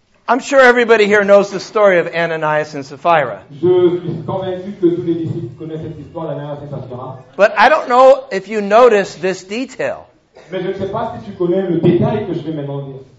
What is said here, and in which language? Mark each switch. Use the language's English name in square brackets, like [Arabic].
[English] I'm sure everybody here knows the story of Ananias and Sapphira. [French] Je suis convaincu que tous les disciples connaissent cette histoire d'Ananias et Sapphira. [English] But I don't know if you notice this detail. [French] Mais je ne sais pas si tu connais le détail que je vais maintenant dire.